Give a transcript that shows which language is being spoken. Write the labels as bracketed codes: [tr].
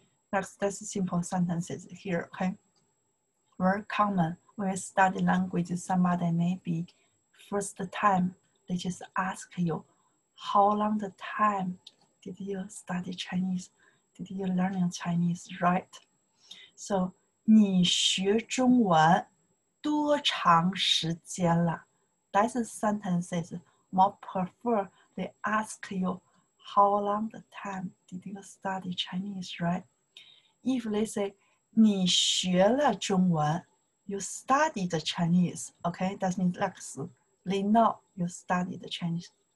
[en] That's simple sentences here, okay? Very common. When you study language, somebody maybe first time, they just ask you, how long the time did you study Chinese? Did you learn Chinese, right? [zh] So, 你学中文多长时间了? [en] That's the sentences. More prefer, they ask you, how long the time did you study Chinese, right? If they say, [zh] 你学了中文, [en] you studied the Chinese, okay? That means like, they know you studied the Chinese.